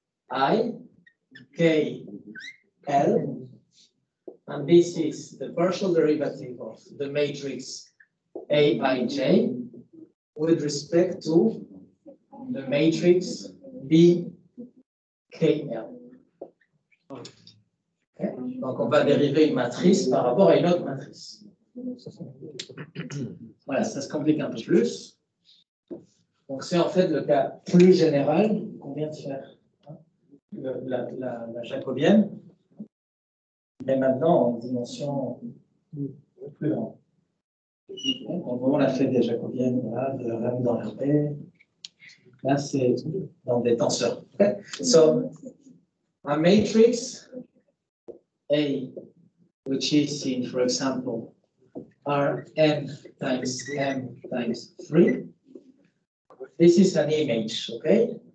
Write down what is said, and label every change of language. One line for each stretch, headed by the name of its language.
English: I, K, L, and this is the partial derivative of the matrix A by J with respect to the matrix B K L. Okay.
French: Donc on va dériver une matrice par rapport à une autre matrice. Voilà, ça se complique un peu plus. Donc c'est en fait le cas plus général qu'on vient de faire, hein, la jacobienne. Mais maintenant en dimension plus grande. Donc, on a fait des jacobiennes là, de RM dans RP. Là, c'est dans des tenseurs.
English: So, a matrix A, which is in, for example, RM times M times 3, this is an image, okay?